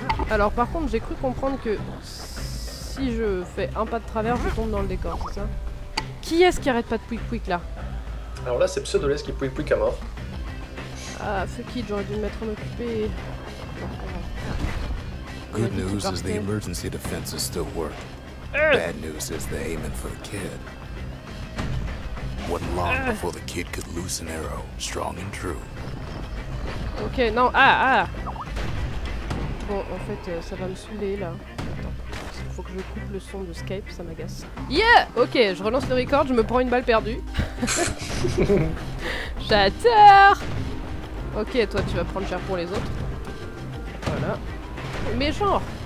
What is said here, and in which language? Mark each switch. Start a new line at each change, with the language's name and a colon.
French: Alors par contre, j'ai cru comprendre que si je fais un pas de travers, je tombe dans le décor, c'est ça? Qui est-ce qui arrête pas de quick-quick là? Alors là, c'est Pseudolès qui pouille plus qu'à mort. Ah,
English: fuck it,
French: j'aurais dû me mettre en occupé.
English: Good news is the emergency defenses still work. Bad news is they're aiming for the kid. Wasn't long before the kid could loose an arrow, strong and true.
French: Ok, non, ah. Bon, en fait, ça va me saouler là. Attends, faut que je coupe le son de Skype, ça m'agace. Yeah! Ok, je relance le record, je me prends une balle perdue. Chatter! Ok, toi tu vas prendre cher pour les autres. Voilà. Mais genre!